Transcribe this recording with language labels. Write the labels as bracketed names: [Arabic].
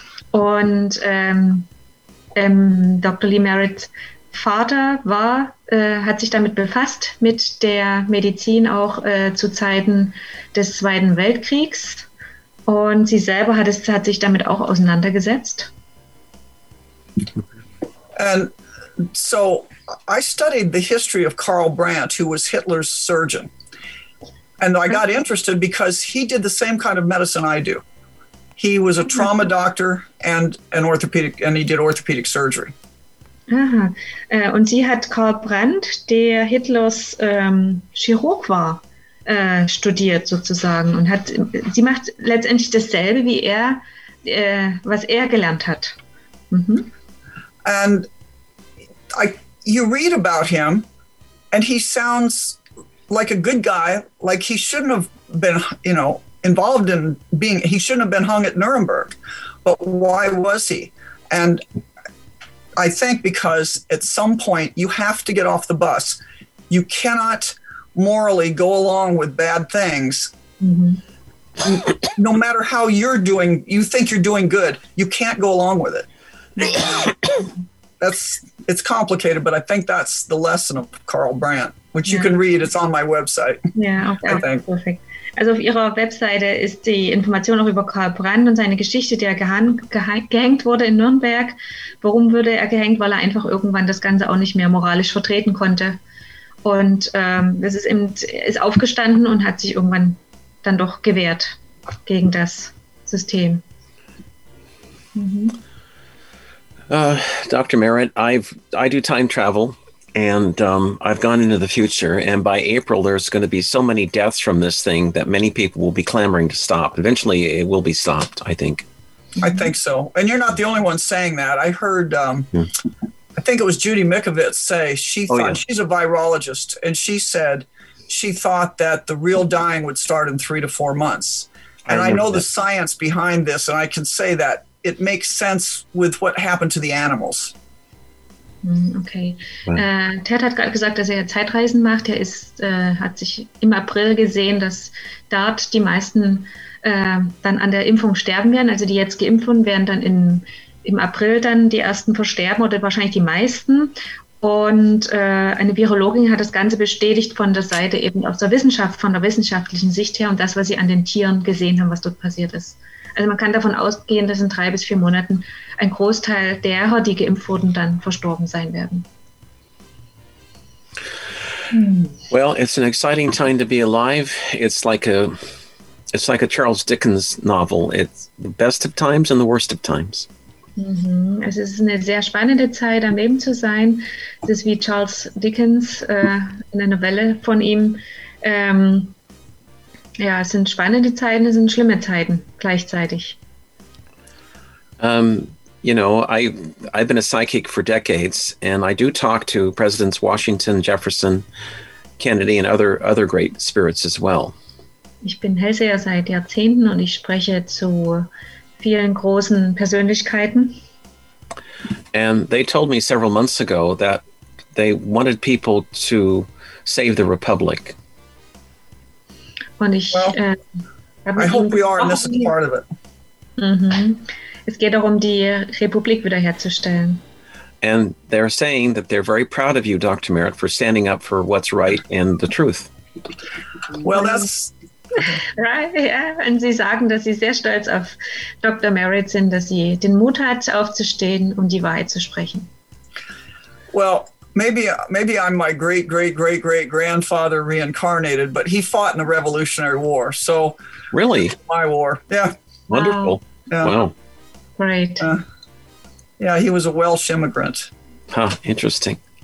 [German] Und Dr. Lee Merritts Vater hat sich damit befasst, mit der Medizin auch zu Zeiten des Zweiten Weltkriegs. Und sie selber hat sich damit auch auseinandergesetzt. [English] And so I studied the history of Karl Brandt, who was Hitler's surgeon. And I got interested because he did the same kind of medicine I do. He was a trauma doctor and an orthopedic, and he did orthopedic surgery. Aha. [German] Und sie hat Karl Brandt, der Hitlers Chirurg war, studiert sozusagen. Und sie macht letztendlich dasselbe wie er, was er gelernt hat. Mhm. [English] And you read about him and he sounds like a good guy, like he shouldn't have been, you know, involved in being, he shouldn't have been hung at Nuremberg, but why was he? And I think because at some point you have to get off the bus. You cannot morally go along with bad things. Mm-hmm. No matter how you're doing, you think you're doing good, you can't go along with it. It's complicated, but I think that's the lesson of Karl Brandt, which you can read. It's on my website. Yeah, okay. I think. Perfect. [German] Also auf ihrer Webseite ist die Information auch über Karl Brandt und seine Geschichte, der gehängt wurde in Nürnberg. Warum wurde er gehängt? Weil er einfach irgendwann das Ganze auch nicht mehr moralisch vertreten konnte. Und es ist eben ist aufgestanden und hat sich irgendwann dann doch gewehrt gegen das System. Mhm. [English] Dr. Merritt, I do time travel, and I've gone into the future, and by April there's going to be so many deaths from this thing that many people will be clamoring to stop. Eventually it will be stopped, I think. I think so. And you're not the only one saying that. I heard, I think it was Judy Mikovits say, she thought, she's a virologist, and she said she thought that the real dying would start in 3 to 4 months. And I know that. The science behind this, and I can say that it makes sense with what happened to the animals. Okay. [German] Ted hat gerade gesagt, dass er Zeitreisen macht. Er ist, hat sich im April gesehen, dass dort die meisten dann an der Impfung sterben werden. Also die jetzt geimpften werden dann im April dann die ersten versterben oder wahrscheinlich die meisten. Und eine Virologin hat das Ganze bestätigt von der Seite eben aus der Wissenschaft, von der wissenschaftlichen Sicht her und das, was sie an den Tieren gesehen haben, was dort passiert ist. Also man kann davon ausgehen, dass in 3 bis 4 Monaten ein Großteil derer, die geimpft wurden, dann verstorben sein werden. [English] Well, it's an exciting time to be alive. It's like a Charles Dickens novel. It's the best of times and the worst of times. [German] Also es ist eine sehr spannende Zeit, am Leben zu sein. Es ist wie Charles Dickens in einer Novelle von ihm. Ja, es sind spannende Zeiten, es sind schlimme Zeiten gleichzeitig. [English] You know, I've been a psychic for decades, and I do talk to Presidents Washington, Jefferson, Kennedy and other great spirits as well. [German] Ich bin Hellseher seit Jahrzehnten und ich spreche zu vielen großen Persönlichkeiten. [English] And they told me several months ago that they wanted people to save the Republic. [German] Und ich, [English] I hope we are, and this is part of it. [German] Mm-hmm. Es geht darum, die Republik wiederherzustellen. [English] And they're saying that they're very proud of you, Dr. Merritt, for standing up for what's right and the truth. Well, that's... Right, yeah. [German] Und sie sagen, dass sie sehr stolz auf Dr. Merritt sind, dass sie den Mut hat, aufzustehen und die Wahrheit zu sprechen. [English] Well, maybe I'm my great great great great grandfather reincarnated, but he fought in the Revolutionary War. So really, my war. Yeah. Wonderful. Yeah. Wow. Great. Yeah, he was a Welsh immigrant. Huh. Interesting.